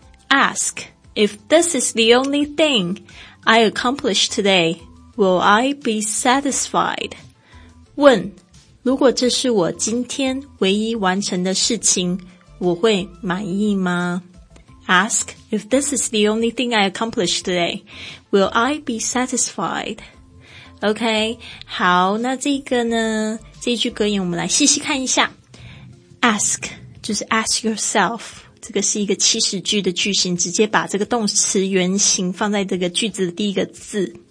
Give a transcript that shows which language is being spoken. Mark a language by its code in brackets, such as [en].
[en] Ask if this is the only thing I accomplished todayWill I be satisfied? [zh] 问，如果这是我今天唯一完成的事情，我会满意吗？ [en] Ask if this is the only thing I accomplished today. Will I be satisfied? [zh] OK, 好，那这个呢，这句格言我们来细细看一下。 [en] Ask, [zh] 就是 [en] ask yourself. [zh] 这个是一个祈使句的句型，直接把这个动词原形放在这个句子的第一个字。